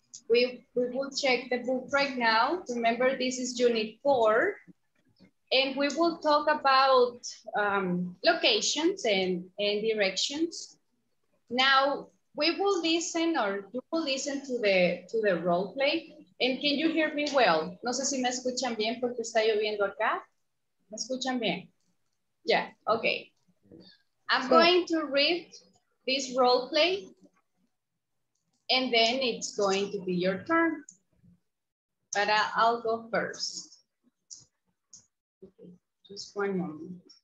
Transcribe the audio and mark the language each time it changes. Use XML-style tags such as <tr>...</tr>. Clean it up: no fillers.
<en>We will check the book right now. Remember, this is unit 4. And we will talk about locations and directions. Now, we will listen, or you will listen to the role play. And can you hear me well?</en> <es>No sé si me escuchan bien porque está lloviendo acá. ¿Me escuchan bien? Yeah, okay.</es> <en>I'm going to read this role play and then it's going to be your turn. But I'll go first. Okay, just one moment.</en>